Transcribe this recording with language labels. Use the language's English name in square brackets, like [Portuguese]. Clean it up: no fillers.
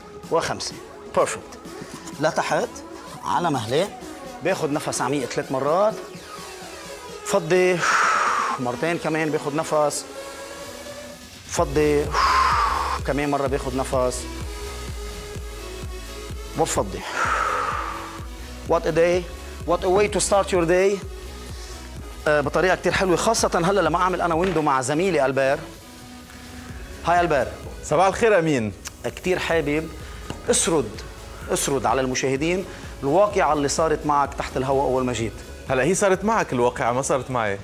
[Arabic] وخمسين بيرفكت. لتحت على مهلين، باخذ نفس عميق ثلاث مرات، فضي مرتين كمان باخذ نفس، فضي كمان مره باخذ نفس وفضي. [English] What a day, what a way to start your day. [Arabic] بطريقه كثير حلوه، خاصه هلا لما اعمل انا ويندو مع زميلي البير. هاي البير. صباح الخير امين. كثير حابب اسرد اسرد على المشاهدين الواقعة اللي صارت معك تحت الهواء اول ما جيت. هلا هي صارت معك الواقعة، ما صارت معي.